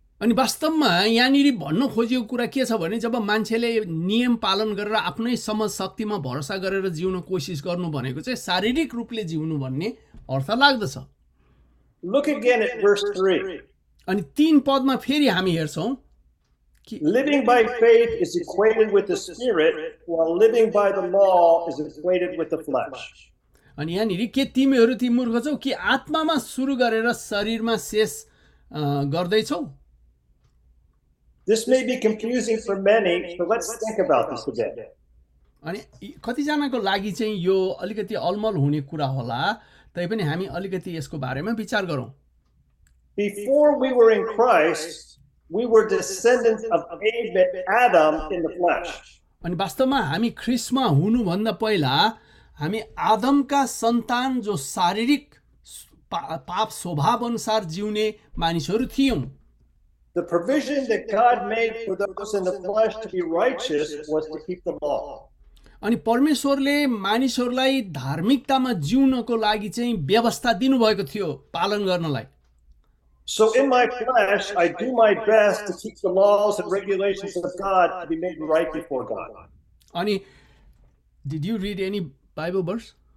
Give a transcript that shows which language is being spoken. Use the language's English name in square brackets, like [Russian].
[Nepali] अनि वास्तवमा यहाँनिर भन्न खोजेको कुरा के छ भने, जब मान्छेले नियम पालन गरेर आफ्नै समाज शक्तिमा भरोसा गरेर जिउन कोसिस गर्नु भनेको चाहिँ शारीरिक रूपले जिउनु भन्ने अर्थ लाग्दछ। [English] Look again at verse 3. [Nepali] अनि 3 पदमा फेरि हामी हेर्छौँ, [English] Living by faith is equated with the spirit, while living by the law is equated with the flesh. [Nepali] अनि यहाँनिर के तिमीहरू ती मूर्ख छौ कि आत्मामा सुरु गरेर शरीरमा शेष गर्दैछौ? [English] This may be confusing for many, so let's think about this a bit. [Nepali] अनि कतिजनाको लागि चाहिँ यो अलिकति अलमल हुने कुरा होला, तैपनि हामी अलिकति यसको बारेमा विचार गरौँ। [English] Before we were in Christ, we were descendants of Adam in the flesh. [Nepali] अनि वास्तवमा हामी ख्रीष्टमा हुनुभन्दा पहिला हामी आदमका सन्तान, जो शारीरिक पाप स्वभाव अनुसार जिउने मानिसहरू थियौँ। [English] The provision that God made for those in the flesh to be righteous was to keep the law. [Nepali] अनि परमेश्वरले मानिसहरूलाई धार्मिकतामा जिउनको लागि चाहिँ व्यवस्था दिनुभएको थियो पालन गर्नलाई। [English] So in my flesh I do my best to keep the laws and regulations of God to be made right before God. अनि did you read any Bible verse?